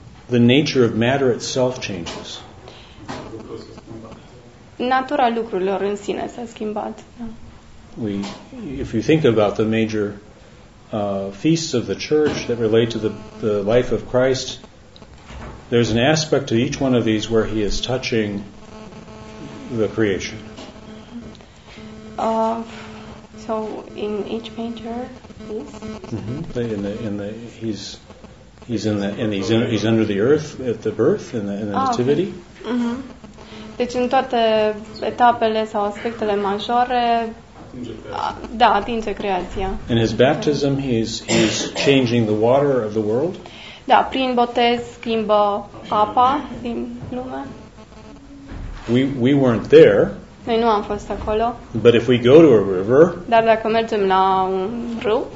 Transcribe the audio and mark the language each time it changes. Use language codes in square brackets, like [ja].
[en] The nature of matter itself changes. [ro] Natura lucrurilor în sine s-a schimbat. [en] If you think about the major feasts of the church that relate to the life of Christ, there's an aspect to each one of these where he is touching the creation. So in each major feast. Mm-hmm. He's under the earth at the birth in the nativity. Okay. Mm-hmm. [ro] Deci în toate etapele sau aspectele majore, atinge creația. [en] In his baptism, he's changing the water of the world. [ro] Da, prin botez schimbă apa din lume. [en] We weren't there. [ro] Noi nu am fost acolo. [en] But if we go to a river, [ro] dar dacă mergem la un râu,